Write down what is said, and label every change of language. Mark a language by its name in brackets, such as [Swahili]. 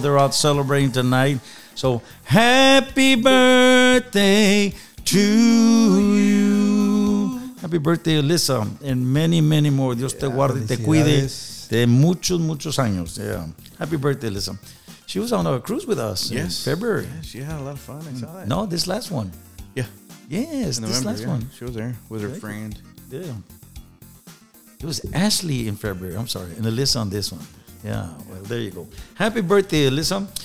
[English] They're out celebrating tonight. So, happy birthday to you. Happy birthday, Alyssa, and many, many more. [Spanish] Dios te guarde y te cuide de muchos, muchos años. [English] Yeah. Happy birthday, Alyssa. She was on a cruise with us in February. Yeah, she had a lot of fun. I saw that. No, this last one. Yeah. Yes, November, this last one. She was there with her friend. Yeah. It was Ashley in February. I'm sorry. And Alyssa on this one. Yeah. Well, there you go. Happy birthday, Alyssa.